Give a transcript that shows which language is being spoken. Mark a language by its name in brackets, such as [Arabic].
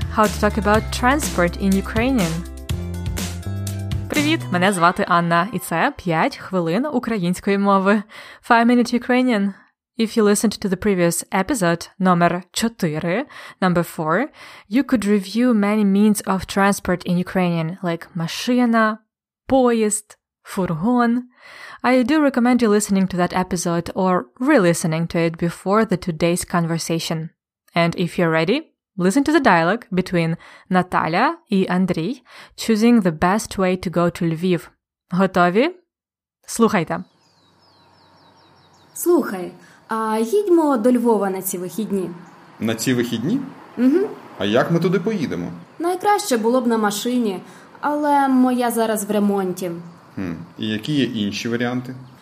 [English] How to talk about transport in Ukrainian. [Ukrainian] Привіт, мене звати Анна, і це 5 хвилин української мови. [English] 5-Minute Ukrainian. If you listened to the previous episode, [Ukrainian] номер 4, [English] number 4, you could review many means of transport in Ukrainian, like машина, поїзд, фургон. I do recommend you listening to that episode or re-listening to it before the today's conversation. And if you're ready, listen to the dialogue between Наталя і Андрій, choosing the best way to go to Львів. [Ukrainian] Готові? Слухайте. Слухай, а їдьмо до Львова на ці вихідні? На ці вихідні? Угу. А як ми туди поїдемо? Найкраще було б на машині, але моя зараз в ремонті. І які є інші варіанти?